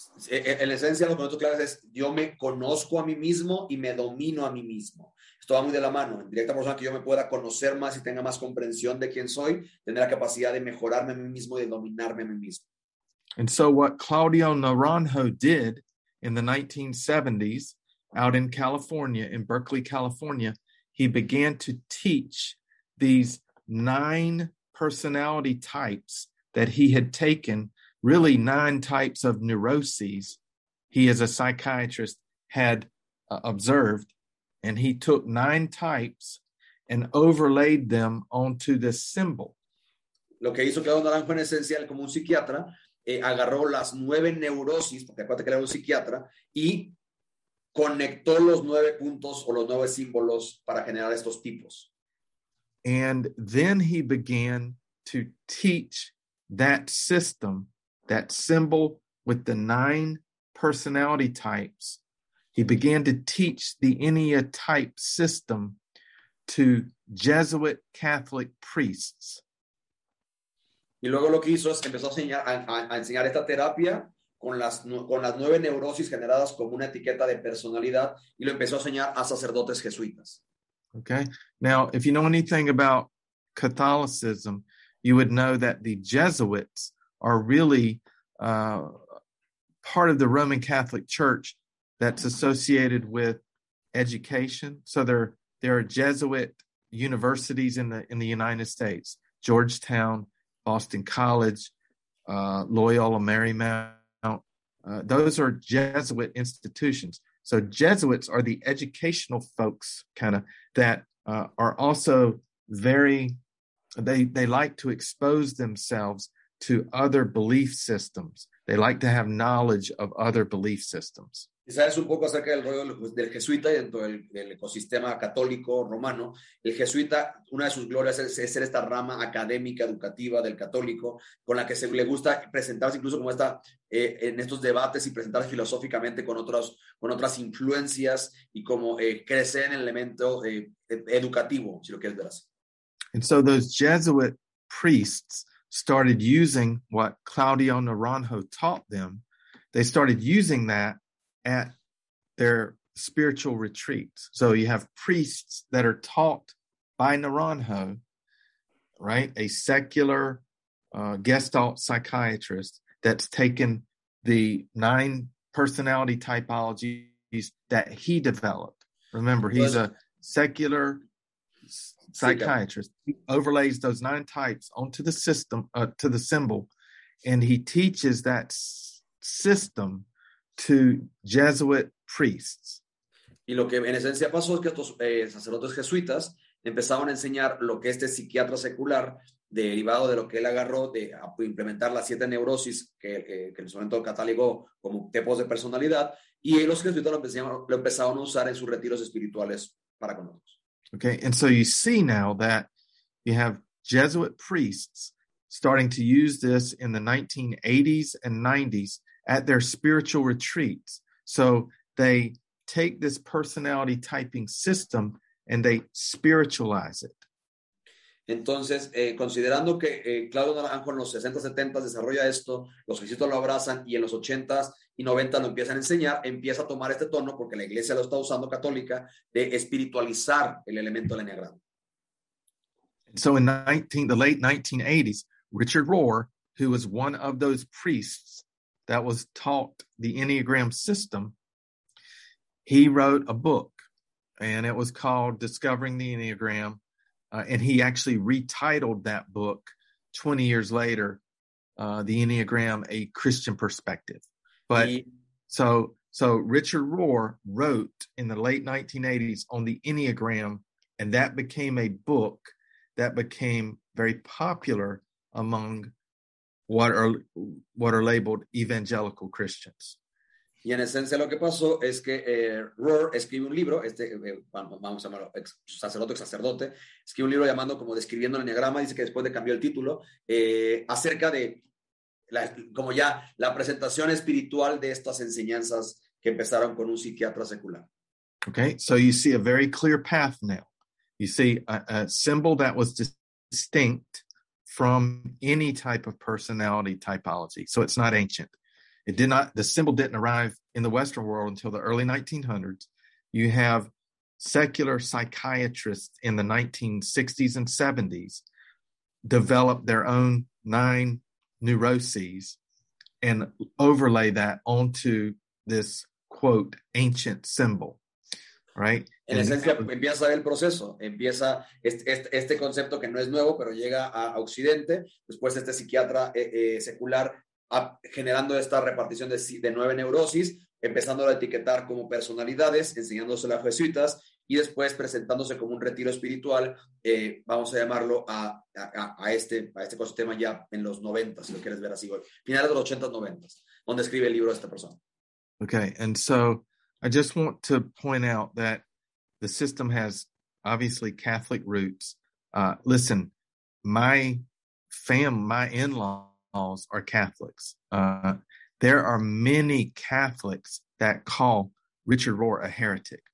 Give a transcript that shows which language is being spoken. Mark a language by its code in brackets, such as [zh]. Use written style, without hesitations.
[es] En esencia, lo que nosotros claro es, yo me conozco a mí mismo y me domino a mí mismo. Esto va muy de la mano. En directa proporción a que yo me pueda conocer más y tenga más comprensión de quién soy, tendré la capacidad de mejorarme a mí mismo y de dominarme a mí mismo. [en] And so what Claudio Naranjo did in the 1970s out in California, in Berkeley, California, he began to teach these 9 personality types that he had taken, really 9 types of neuroses he, as a psychiatrist, had observed. And he took 9 types and overlaid them onto this symbol. [es] Lo que hizo Claudio Naranjo, en esencia, como un psiquiatra, agarró las 9 neurosis, porque acuérdate que era un psiquiatra, y conectó los 9 puntos o los 9 símbolos para generar estos tipos. [en] And then he began to teach that system, that symbol with the 9 personality types. He began to teach the Enya type system to Jesuit Catholic priests. [es] Y luego lo que hizo es empezó a enseñar esta terapia con las 9 neurosis generadas como una etiqueta de personalidad, y lo empezó a enseñar a sacerdotes jesuitas. [en] Okay. Now, if you know anything about Catholicism, you would know that the Jesuits are really part of the Roman Catholic Church that's associated with education. So there are Jesuit universities in the United States, Georgetown, Boston College, Loyola Marymount. Those are Jesuit institutions. So Jesuits are the educational folks, kind of, that are also very, they like to expose themselves to other belief systems. They like to have knowledge of other belief systems. [es] Sabes un poco acerca del rollo del jesuita dentro del ecosistema católico romano. El jesuita, una de sus glorias es ser esta rama académica educativa del católico, con la que se le gusta presentarse incluso como esta en estos debates y presentarse filosóficamente con otras influencias y como crecer en el elemento educativo, si lo quieres ver así. [en] And so those Jesuit priests started using what Claudio Naranjo taught them. They started using that at their spiritual retreats. So you have priests that are taught by Naranjo, right? A secular gestalt psychiatrist that's taken the 9 personality typologies that he developed. Remember, he's a secular psychiatrist. He overlays those 9 types onto the system, to the symbol, and he teaches that system to Jesuit priests. [es] Y lo que en esencia pasó es que estos sacerdotes jesuitas empezaron a enseñar lo que este psiquiatra secular, derivado de lo que él agarró de implementar las 7 neurosis que en su momento catalogó como tipos de personalidad, y los jesuitas lo empezaron a usar en sus retiros espirituales para con otros. [en] Okay, and so you see now that you have Jesuit priests starting to use this in the 1980s and 90s at their spiritual retreats. So they take this personality typing system and they spiritualize it. [es] Entonces, considerando que Claudio Naranjo en los 60s, 70s desarrolla esto, los jesuitas lo abrazan y en los 80s y 90s lo empiezan a enseñar, empieza a tomar este tono, porque la iglesia lo está usando católica, de espiritualizar el elemento del Enneagrama. [en] So in the late 1980s, Richard Rohr, who was one of those priests that was taught the Enneagram system, he wrote a book, and it was called Discovering the Enneagram, and he actually retitled that book 20 years later, The Enneagram, A Christian Perspective. But so Richard Rohr wrote in the late 1980s on the Enneagram, and that became a book that became very popular among what are labeled evangelical Christians. [es] Y en esencia lo que pasó es que Rohr escribe un libro, vamos a llamarlo sacerdote, escribe un libro llamando como Describiendo el Enneagrama, dice que después de cambió el título, acerca de la presentación espiritual de estas enseñanzas que empezaron con un psiquiatra secular. [en] Okay, so you see a very clear path now. You see a symbol that was distinct from any type of personality typology. So it's not ancient. The symbol didn't arrive in the Western world until the early 1900s. You have secular psychiatrists in the 1960s and 70s develop their own 9 neuroses and overlay that onto this, quote, ancient symbol. Right? [es] En esencia, empieza a ver el proceso. Empieza este concepto que no es nuevo, pero llega a Occidente. Después, este psiquiatra secular generando esta repartición de 9 neurosis, empezando a etiquetar como personalidades, enseñándoselo a jesuitas y después presentándose como un retiro espiritual, vamos a llamarlo a este ecosistema ya en los 90, si lo quieres ver así, hoy, finales de los 80, 90, donde escribe el libro de esta persona. [en] Okay, and so I just want to point out that the system has obviously Catholic roots. Listen, my in-laws are Catholics. There are many Catholics that call Richard Rohr a heretic.